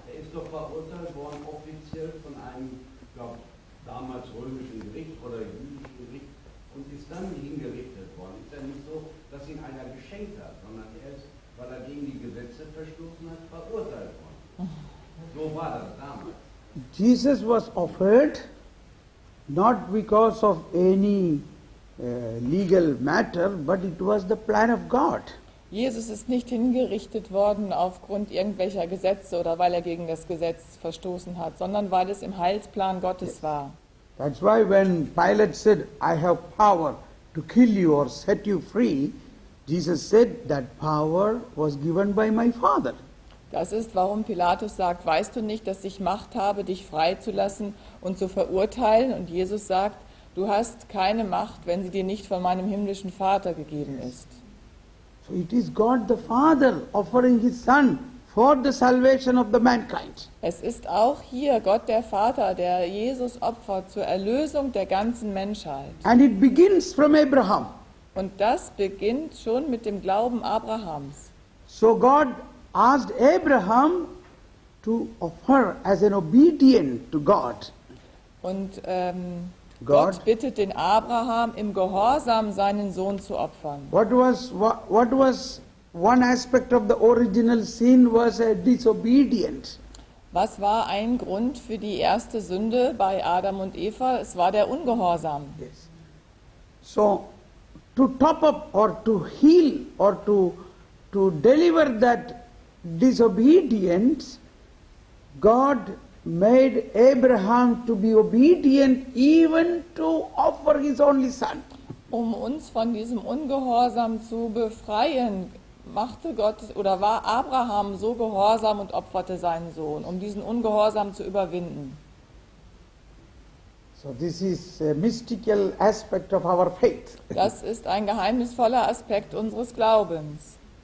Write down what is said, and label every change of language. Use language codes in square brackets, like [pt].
[de] Er ist doch verurteilt worden offiziell von einem, ich glaube, damals römischen Gericht oder jüdischen Gericht und ist dann hingerichtet worden. Ist ja nicht so, dass ihn einer geschenkt hat, sondern er ist, weil er gegen die Gesetze verstoßen hat, verurteilt worden. So war das damals. [en] Jesus was offered not because of any legal matter, but it was the plan of God. [de] Jesus ist nicht hingerichtet worden aufgrund irgendwelcher Gesetze oder weil er gegen das Gesetz verstoßen hat, sondern weil es im Heilsplan Gottes war. [en] That's why when Pilate said, I have power to kill you or set you free, Jesus said that power was given by my Father. [de] Das ist, warum Pilatus sagt, weißt du nicht, dass ich Macht habe, dich freizulassen und zu verurteilen? Und Jesus sagt, du hast keine Macht, wenn sie dir nicht von meinem himmlischen Vater gegeben ist. [en] So it is God the Father offering his Son for the salvation of the mankind. [de] Es ist auch hier Gott der Vater, der Jesus opfert zur Erlösung der ganzen Menschheit. [en] And it begins from Abraham. [de] Und das beginnt schon mit dem Glauben Abrahams. [en] So God asked Abraham to offer as an obedient to God. [de] Und Gott bittet den Abraham, im Gehorsam seinen Sohn zu opfern. [en] What was one aspect of the original sin was a disobedient. [de] Was war ein Grund für die erste Sünde bei Adam und Eva? Es war der Ungehorsam. [en] Yes. So to top up or to heal or to deliver that disobedience, God made Abraham to be obedient even to offer his only son. [de] Um uns von diesem Ungehorsam zu befreien, machte Gott oder war Abraham so gehorsam und opferte seinen Sohn, um diesen Ungehorsam zu überwinden. [en] So this is a mystical aspect of our faith. [de] Das ist ein geheimnisvoller Aspekt unseres Glaubens.